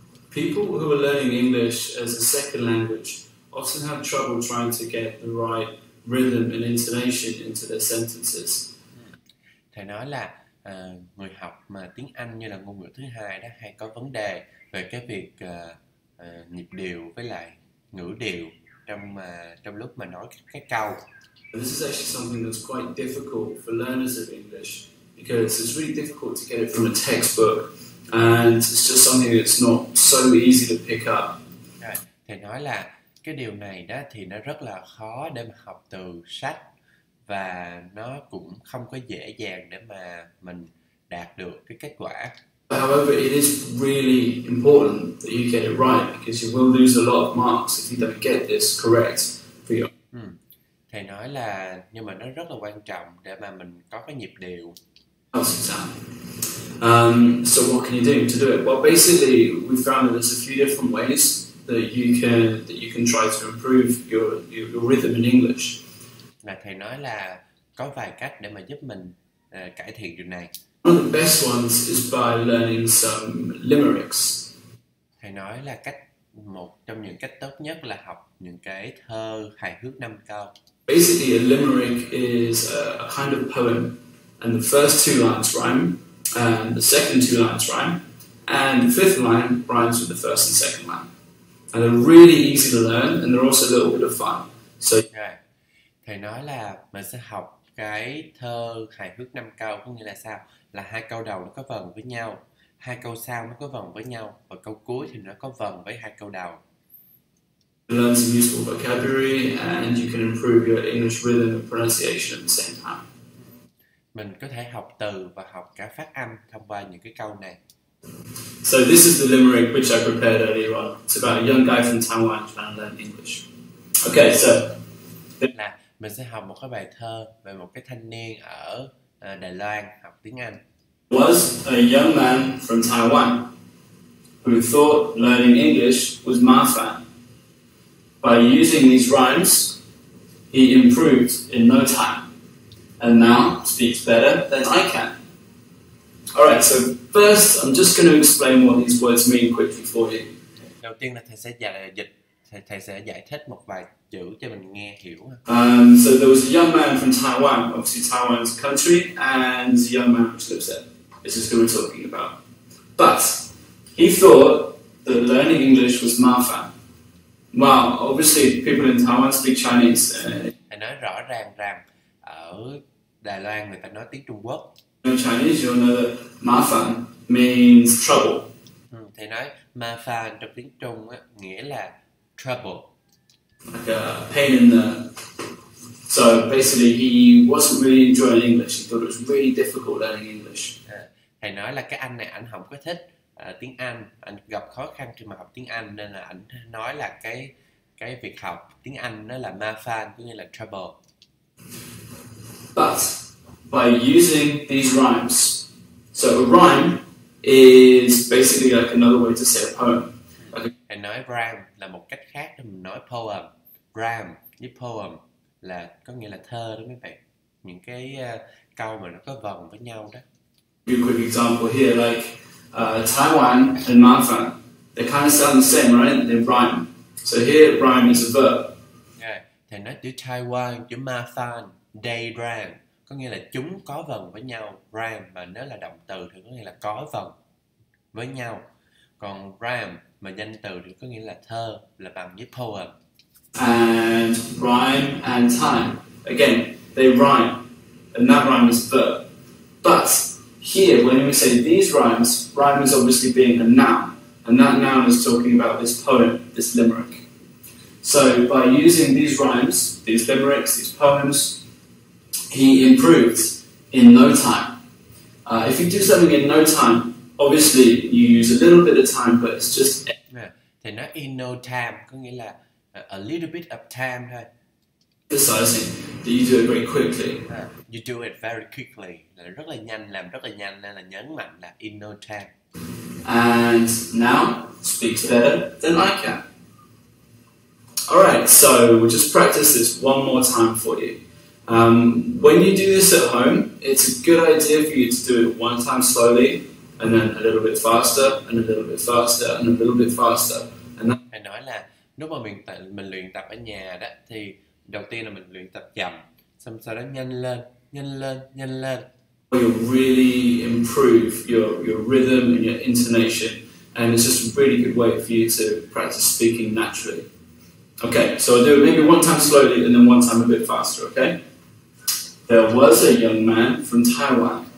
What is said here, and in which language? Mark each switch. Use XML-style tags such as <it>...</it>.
<en>People who are learning English as a second language often have trouble trying to get the right rhythm and intonation into their sentences.</en> <vi>Thầy nói là người học mà tiếng Anh như là ngôn ngữ thứ hai đó hay có vấn đề về cái việc nhịp điệu với lại ngữ điệu trong trong lúc mà nói cái câu.</vi> <en>This is actually something that's quite difficult for learners of English because it's really difficult to get it from a textbook and it's just something that's not so easy to pick up.</en> <vi>Thầy nói là cái điều này đó thì nó rất là khó để mà học từ sách và nó cũng không có dễ dàng để mà mình đạt được cái kết quả.</vi> <en>However, it is really important that you get it right because you will lose a lot of marks if you don't get this correct for your...</en> <vi>Thầy nói là nhưng mà nó rất là quan trọng để mà mình có cái nhịp điệu.</vi> <en>So what can you do to do it? Well, basically, we found that there's a few different ways that you can try to improve your rhythm in English.</en> <vi>Và thầy nói là có vài cách để mà giúp mình cải thiện điều này.</vi> <en>One of the best ones is by learning some limericks.</en> <vi>Thầy nói là cách một trong những cách tốt nhất là học những cái thơ hài hước năm câu.</vi> <en>Basically, a limerick is a kind of poem, and the first two lines rhyme, and the second two lines rhyme, and the fifth line rhymes with the first and second line. And they're really easy to learn, and they're also a little bit of fun. So, okay.</en> <vi>Thầy nói là mình sẽ học cái thơ hài hước năm câu, có nghĩa là sao? Là hai câu đầu nó có vần với nhau, hai câu sau nó có vần với nhau, và câu cuối thì nó có vần với hai câu đầu.</vi> <en>Learn some useful vocabulary, and you can improve your English rhythm and pronunciation at the same time.</en> <vi>Mình có thể học từ và học cả phát âm thông qua những cái câu này.</vi> <en>So this is the limerick which I prepared earlier on. It's about a young guy from Taiwan trying to learn English. Okay, so</en> <vi>là mình sẽ học một cái bài thơ về một cái thanh niên ở Đài Loan học tiếng Anh.</vi> <en>Was a young man from Taiwan who thought learning English was mafan. By using these rhymes, he improved in no time and now speaks better than I can. All right, so first, I'm just going to explain what these words mean quickly for you. Đầu tiên là thầy sẽ giải thích một vài chữ cho mình nghe hiểu. So there was a young man from Taiwan, obviously Taiwan's country, and a young man which lives there. This is who we're talking about. But he thought that learning English was mafan. Well, obviously, people in Taiwan speak Chinese.</en> <vi>Thầy nói rõ ràng rằng ở Đài Loan người ta nói tiếng Trung Quốc.</vi> <en>In Chinese, you know, mafan means trouble.</en> <vi>Thầy nói mafan trong tiếng Trung á nghĩa là trouble.</vi> <en>Like a pain in the... So basically, he wasn't really enjoying English. He thought it was really difficult learning English.</en> <vi>Thầy nói là cái anh này anh không có thích tiếng Anh. Anh gặp khó khăn khi mà học tiếng Anh nên là anh nói là cái việc học tiếng Anh nó là mafan, có nghĩa là trouble.</vi> <en>But by using these rhymes, so a rhyme is basically like another way to say a poem.</en> <vi>Thầy nói rhyme là một cách khác để mình nói poem. Rhyme với poem là có nghĩa là thơ đó mấy bạn. Những cái câu mà nó có vần với nhau đó.</vi> <en>Give a quick example here, like Taiwan and mafan, they kind of sound the same, right? They rhyme. So here, rhyme is a verb. Yeah.</en> <vi>Thầy nói chữ Taiwan, chữ mafan,</vi> <en>they rhyme.</en> <vi>Có nghĩa là chúng có vần với nhau. Rhyme mà nếu là động từ thì có nghĩa là có vần với nhau. Còn rhyme mà danh từ thì có nghĩa là thơ, là bằng với poem.</vi> <en>And rhyme and time. Again, they rhyme. and that rhyme is the. But here, when we say these rhymes, rhyme is obviously being a noun, and that noun is talking about this poem, this limerick. So by using these rhymes, these limericks, these poems, he improved in no time. If you do something in no time, obviously you use a little bit of time, but it's just...</en> <vi>Thì nó</vi> <en>in no time</en> <vi>có nghĩa là</vi> <en>a little bit of time</en> <vi>thôi.</vi> <en>Emphasizing that you do it very quickly. You do it very quickly.</en> <vi>Là rất là nhanh, làm rất là nhanh nên là nhấn mạnh là</vi> <en>in no time. And now speaks better than I can. Alright, so we'll just practice this one more time for you. When you do this at home, it's a good idea for you to do it one time slowly, and then a little bit faster, and a little bit faster, and a little bit faster. And that...</en> <vi>Hãy nói là, lúc mà mình luyện tập ở nhà đó, thì đầu tiên là mình luyện tập chậm, xong sau đó nhanh lên, nhanh lên, nhanh lên.</vi> <en>You really improve your rhythm and your intonation, and it's just a really good way for you to practice speaking naturally. Okay, so I'll do it maybe one time slowly and then one time a bit faster, okay? There was a young man from Taiwan.</en>